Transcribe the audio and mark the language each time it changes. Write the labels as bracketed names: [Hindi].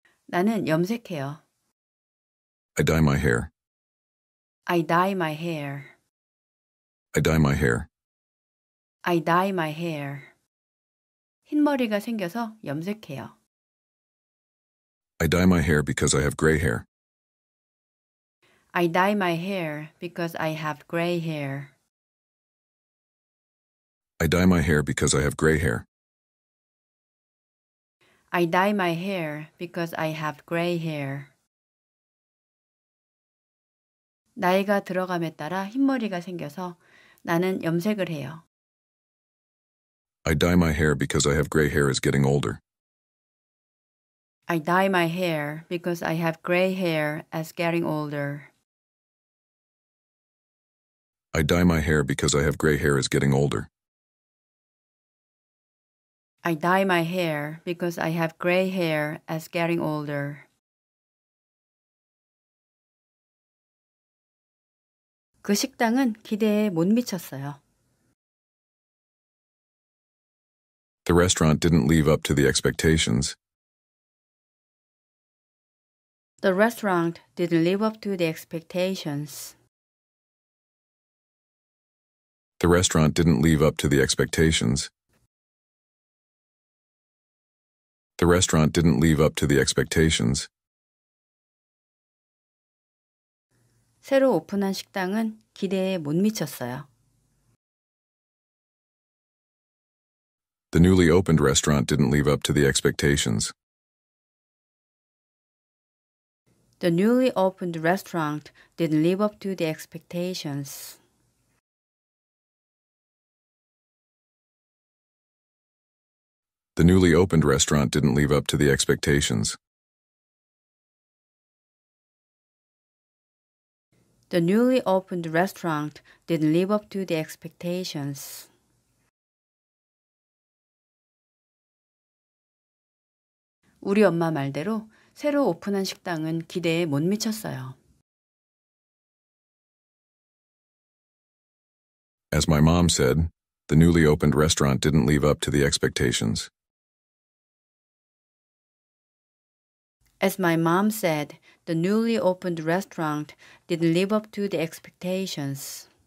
[Korean] 나는 염색해요. [English] I dye my hair. I dye my hair. I dye my hair. I dye my hair. [Korean] 흰 머리가 생겨서 염색해요. [English] I dye my hair because I have gray hair. I dye my hair because I have gray hair. I dye my hair because I have gray hair. I dye my hair because I have gray hair. [Korean] 나이가 들어감에 따라 흰머리가 생겨서 나는 염색을 해요. [English] I dye my hair because I have gray hair is getting older. I dye my hair because I have gray hair as getting older. I dye my hair because I have gray hair is getting older. I dye my hair because I have gray hair as getting older. [Korean] 그 식당은 기대에 못 미쳤어요. [English] The restaurant didn't live up to the expectations. The restaurant didn't live up to the expectations. The restaurant didn't live up to the expectations. The restaurant didn't live up to the expectations. [Korean] 새로 오픈한 식당은 기대에 못 미쳤어요. [English] The newly opened restaurant didn't live up to the expectations. The newly opened restaurant didn't live up to the expectations. The newly opened restaurant didn't live up to the expectations. The newly opened restaurant didn't live up to the expectations. [Korean] Uri 엄마 말대로 새로 오픈한 식당은 기대에 못 미쳤어요. [English] As my mom said, the newly opened restaurant didn't live up to the expectations. As my mom said, the newly opened restaurant didn't live up to the expectations.